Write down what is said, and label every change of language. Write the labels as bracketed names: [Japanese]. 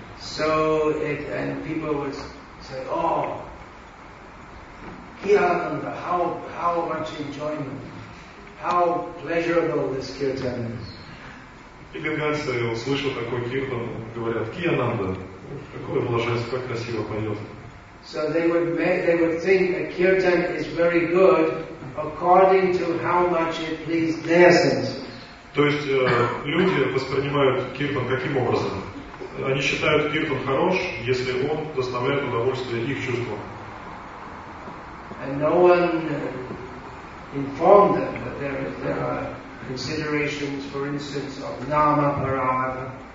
[English] So it, and people would say, oh. Kiyananda, how much enjoyment, how pleasurable this kirtan is. [Russian] И бенгальцы услышали такой киртан, говорят, Kiyananda, какое блаженство, как красиво поет. [English] So they would think a kirtan is very good according to how much it pleases their senses. [Russian] То есть люди воспринимают киртан каким образом? Они считают киртан хорош, если он доставляет удовольствие их чувствам. [English] And no one informed them that there are considerations, for instance, of nama parada.